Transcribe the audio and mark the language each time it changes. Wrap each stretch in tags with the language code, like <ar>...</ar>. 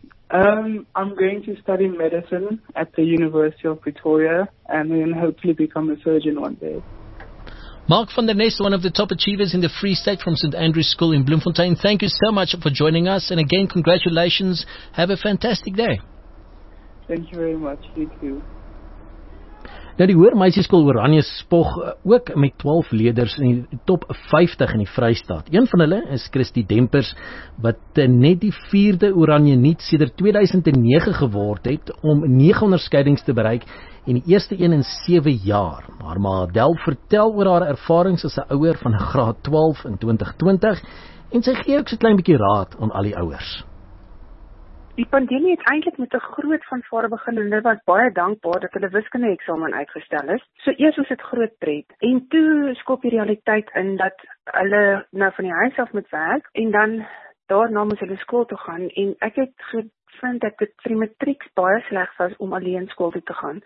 <en>I'm going to study medicine at the University of Pretoria and then hopefully become a surgeon one day. Mark van der Nest, one of the top achievers in the Free State from St. Andrew's School in Bloemfontein. Thank you so much for joining us. And again, congratulations. Have a fantastic day. Thank you very much. You too.</en> <af>Nou, die Hoër Meisieskool Oranje spog ook met 12 leerders in die top 50 in die Vrystaat. Een van hulle is Christy Dempers, wat net die vierde Oranje niet sedert 2009 geword het om 9 onderskeidings te bereik en die eerste een in 7 jaar. Maar Adel vertel oor haar ervarings as 'n ouer van graad 12 in 2020 en sy gee ook so 'n klein bietjie raad aan al die ouers. Die pandemie het eintlik met 'n groot fanfare begin en hulle was baie dankbaar dat hulle wiskunde eksamen uitgestel is. So eers was dit groot pret en toe skop die realiteit in dat hulle nou van die huis af moet werk en dan daarna moet hulle skool toe gaan en ek het gevind dat dit vir die matriek baie sleg was om alleen skool toe te gaan.</af>